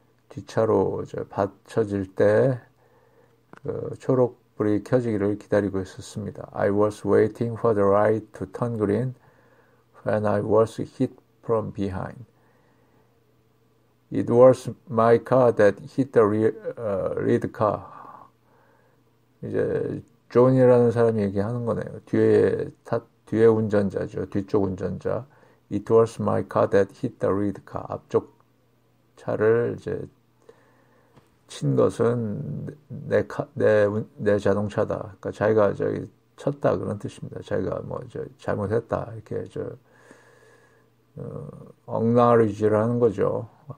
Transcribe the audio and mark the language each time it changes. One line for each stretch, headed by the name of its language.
Korean: 뒤차로 저 받쳐질 때, 초록불이 켜지기를 기다리고 있었습니다.
English: I was waiting for the right to turn green. When I was hit from behind, it was my car that hit the lead car.
Korean: 이제 존이라는 사람이 얘기하는 거네요. 뒤에 운전자죠. 뒤쪽 운전자.
English: It was my car that hit the lead car.
Korean: 앞쪽 차를 이제 친 것은 내 자동차다. 그러니까 자기가 저기 쳤다 그런 뜻입니다. 자기가 뭐저 잘못했다 이렇게 저 acknowledge라는 거죠.